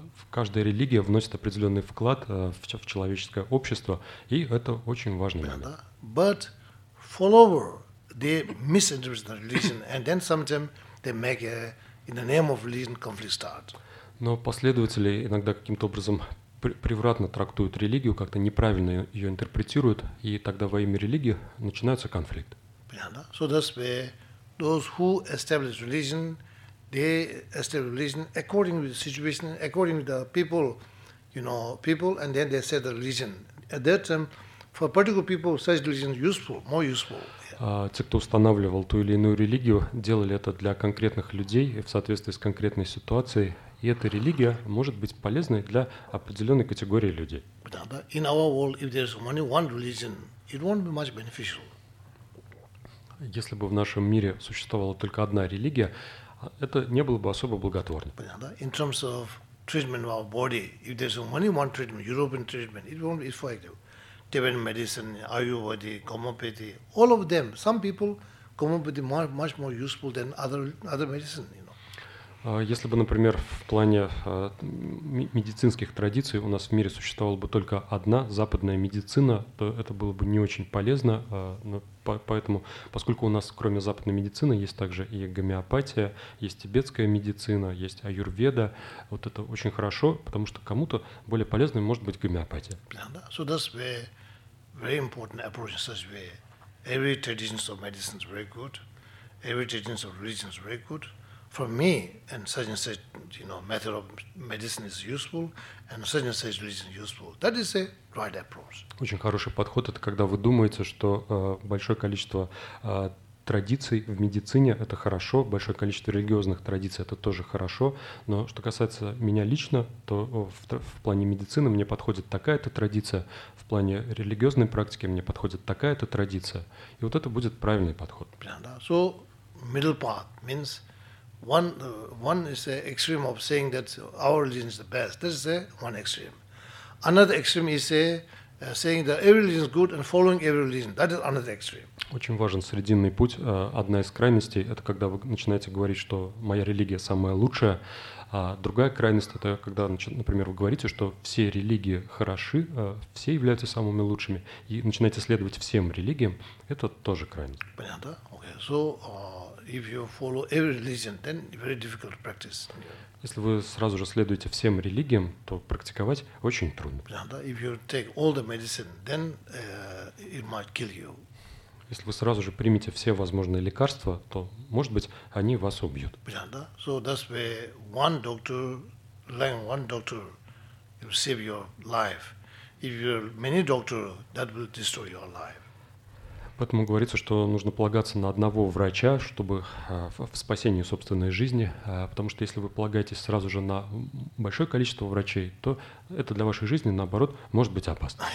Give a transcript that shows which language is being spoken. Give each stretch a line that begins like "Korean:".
Russian: Каждая религия вносит определенный вклад в человеческое общество, и это очень важный момент.
English: Yeah,
Russian: да.
English: But follower, they misinterpret the religion, and then sometimes they make in the name of religion conflict start.
Russian: Но последователи иногда каким-то образом превратно трактуют религию, как-то неправильно ее интерпретируют, и тогда во имя религии начинается конфликт. Понятно?
English: So that's where those who establish religion, they establish religion according to the situation, according to the people, you know, people, and then they set the religion. At that time, for particular people, such religion is useful, more useful.
Russian: Те, кто устанавливал ту или иную религию, делали это для конкретных людей в соответствии с конкретной ситуацией. И эта религия может быть полезной для определенной категории людей.
English: In our world, if there's only one religion, it won't be much beneficial.
Russian: Если бы в нашем мире существовала только одна религия, это не было бы особо благотворно.
English: In terms of treatment of our body, if there's only one treatment, European treatment, it won't be effective. Tibetan medicine, Ayurveda, homeopathy, all of them. Some people common would be much more useful than other medicine, you know.
Russian: Если бы, например, в плане медицинских традиций у нас в мире существовала бы только одна западная медицина, то это было бы не очень полезно. Поэтому, поскольку у нас кроме западной медицины есть также и гомеопатия, есть тибетская медицина, есть аюрведа, вот это очень хорошо, потому что кому-то более полезной может быть гомеопатия.
English: So that's where very important approach in such way. Every tradition of medicine is very good. Every tradition of religion is very good. For me, and such, you know, method of medicine is useful, and such religion useful. That is a right approach.
Russian: Очень хороший подход – это когда вы думаете, что большое количество традиций в медицине – это хорошо, большое количество религиозных традиций – это тоже хорошо. Но что касается меня лично, то в плане медицины мне подходит такая-то традиция, в плане религиозной практики мне подходит такая-то традиция. И вот это будет правильный подход.
English: So middle path means One is the extreme of saying that our religion is the best. This is the one extreme. Another extreme is saying that every religion is good and following every religion. That is another extreme.
Russian: Очень важен срединный путь. Одна из крайностей – это когда вы начинаете говорить, что моя религия самая лучшая. А другая крайность – это когда, например, вы говорите, что все религии хороши, все являются самыми лучшими, и начинаете следовать всем религиям. Это тоже крайность. Понятно. Okay.
English: So, if you follow every religion, then very difficult to practice.
Russian: Если вы сразу же следуете всем религиям, то практиковать очень трудно.
English: If you take all the medicine, then it might kill you.
Russian: Если вы сразу же примете все возможные лекарства, то, может быть, они вас убьют.
English: So that's where one doctor, like one doctor, will save your life. If you have many doctors, that will destroy your life.
Russian: Поэтому говорится, что нужно полагаться на одного врача, чтобы в спасении собственной жизни, потому что если вы полагаетесь сразу же на большое количество врачей, то это для вашей жизни, наоборот, может быть опасно.